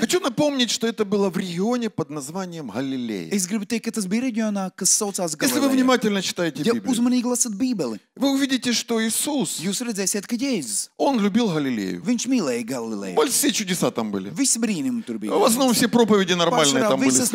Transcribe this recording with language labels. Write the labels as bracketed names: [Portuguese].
[Russian] Хочу напомнить, что это было в регионе под названием Галилея. [Latvian] Es gribu teikt, ka tas bija reģionā, kas saucās Galilēja. [Russian] Если вы внимательно читаете Библию. [Latvian] Ja uzmanīgi lasat Bībeli. [Russian] Вы увидите, что Иисус. [Latvian] Jūs redzēsiet, ka Jēzus. [Russian] Он любил Галилею. [Latvian] Viņš mīlēja Galilēju. [Russian] Все чудеса там были. [Latvian] Visi brīnumi tur bija. [Russian] В основном все проповеди нормальные там были сказаны.